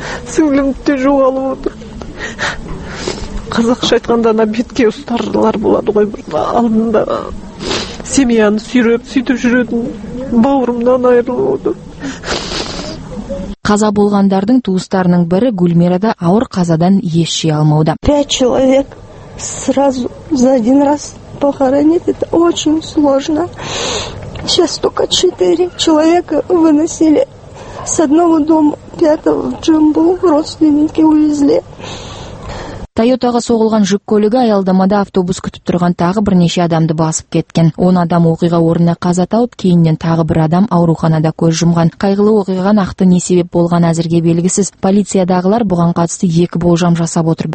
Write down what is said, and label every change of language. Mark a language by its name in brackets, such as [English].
[Kazakh] Сіңілімді жоғалып отыр. Қазақша айтқанда ана бетке ұстарлар болады ғой. Алдында семьяны сүйреп, сөйтіп жүретін бауырымдан айырылып отыр. Қаза болғандардың туыстарының бірі Гүлмерада ауыр қазадан еш жия алмауда. [Russian] 5 человек сразу за один раз похоронить, это очень сложно. Сейчас только 4 человека выносили. С одного дома, пятого, в Джамбу, родственники увезли. [Kazakh] Тойотаға соғылған жүк көлігі аялдамада автобус күтіп тұрған тағы бірнеше адамды басып кеткен. 10 адам оқиға орнына қаза тауып, кейіннен тағы бір адам ауруханада көз жұмған. Қайғылы оқиға нақты не себеп болған әзірге белгісіз. Полициядағылар бұған қатысты екі болжам жасап отыр.